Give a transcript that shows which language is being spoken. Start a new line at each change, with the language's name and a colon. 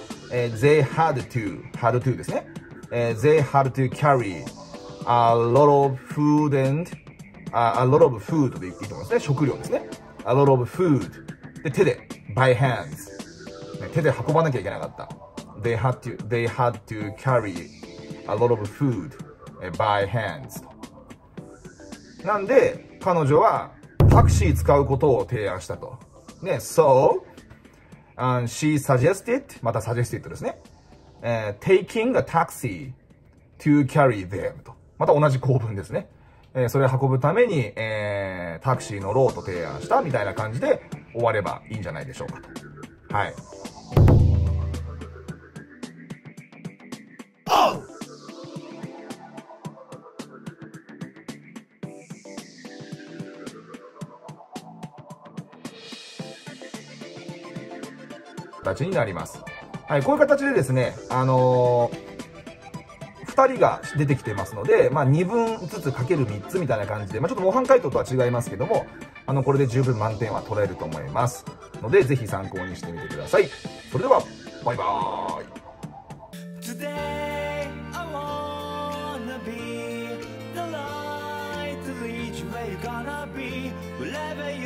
English: they had to、had to ですね。 they had to carry a lot of food and、a lot of food でいいと思いますね。食料ですね。 a lot of food。で、手で、 by hands。
Japanese: 手で運ばなきゃいけなかった。
English: They had to carry a lot of food by hands。
Japanese: なんで彼女はタクシー使うことを提案したと、ね、 So、she suggested、また suggested ですね、 taking a taxi to carry them と、また同じ構文ですね、それを運ぶために、タクシー乗ろうと提案したみたいな感じで終わればいいんじゃないでしょうかと。はい、形になります、はい、こういう形でですね、2人が出てきてますので、まあ、2分ずつかける3つみたいな感じで、まあ、ちょっと模範解答とは違いますけども、これで十分満点は取れると思いますので、ぜひ参考にしてみてください。それではバイバーイ。
English: Today, I wanna be the light to reach where you're gonna be 11